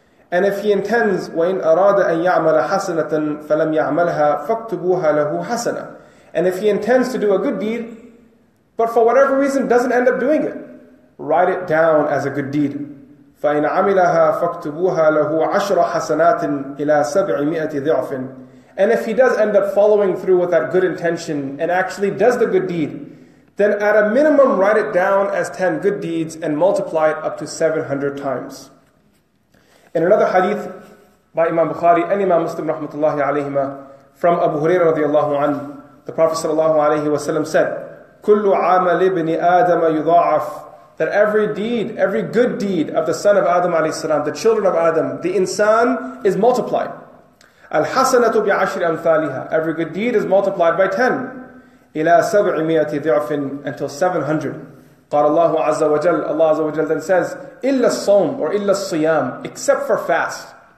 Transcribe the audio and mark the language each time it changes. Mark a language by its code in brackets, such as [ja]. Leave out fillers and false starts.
[en] And if he intends, وَإِن أَرَادَ أَن يَعْمَلَ حَسَنَةً فَلَمْ يَعْمَلْهَا فَاكْتُبُوهَا لَهُ حَسَنًا. And if he intends to do a good deed, but for whatever reason doesn't end up doing it, write it down as a good deed. [ar] فَإِنْ عَمِلَهَا فَاكْتُبُوهَا لَهُ عَشْرَ حَسَنَاتٍ إِلَىٰ 700 ضِعْفٍ. [en] And if he does end up following through with that good intention and actually does the good deed, then at a minimum write it down as 10 good deeds and multiply it up to 700 times. In another hadith by Imam Bukhari and Imam Muslim rahmatullahi alayhima from Abu Huraira radiallahu anhu, the Prophet sallallahu alayhi wa sallam said, [ar] كُلُّ عَامَلِ بْنِ آدَمَ يُضَاعَفْ. [en] That every deed, every good deed of the son of Adam alayhi salam, the children of Adam, the insan, is multiplied. [ar] Al-hasanatu bi'ashri amthaliha. [en] Every good deed is multiplied by 10. [ar] إلى 700 ضعف [en] until 700. [ar] قال الله عز وجل, الله عز وجل [en] then says, [ar] إلا الصوم or إلا الصيام, [en] except for fast.